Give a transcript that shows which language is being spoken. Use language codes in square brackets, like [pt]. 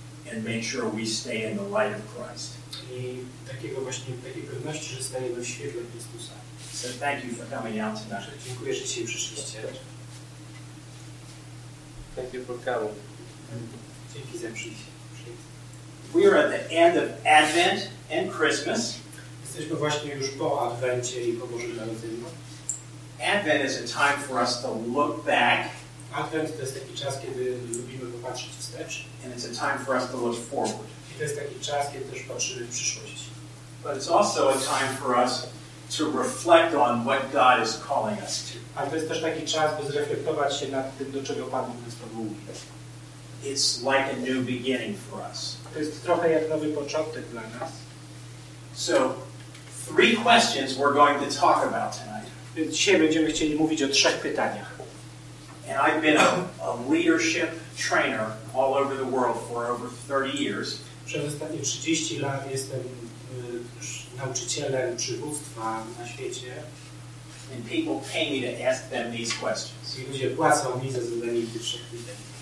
[en] And make sure we stay in the light of Christ. [pl] I takiego właśnie, takiej pewności, że stajemy w świetle Chrystusa. [en] So thank you for coming out tonight. [pl] Dziękuję, że dzisiaj przyszliście. [en] Thank you for coming. [pl] Dzięki za przyjście. [en] We are at the end of Advent and Christmas. [pl] Jesteśmy właśnie już po Adwencie i po Bożym Narodzeniu. [en] Advent is a time for us to look back. [pl] Advent to jest taki czas, kiedy lubimy popatrzeć wstecz. [en] And it's a time for us to look forward. [pl] To jest taki czas, kiedy też patrzymy w przyszłość. [en] But it's also a time for us to reflect on what God is calling us to. [pl] Ale to jest też taki czas, by zreflektować się nad tym, do czego Pan nas powołuje. [en] It's like a new beginning for us. [pl] To jest trochę jak nowy początek dla nas. [en] So, three questions we're going to talk about tonight. [pl] Dzisiaj będziemy chcieli mówić o trzech pytaniach. [en] And I've been a leadership trainer all over the world for over 30 years. [pl] Przez ostatnie 30 lat jestem nauczycielem przywództwa na świecie. [en] And people pay me to ask them these questions. [pl] I ludzie płacą mi za zadanie tych trzech pytań.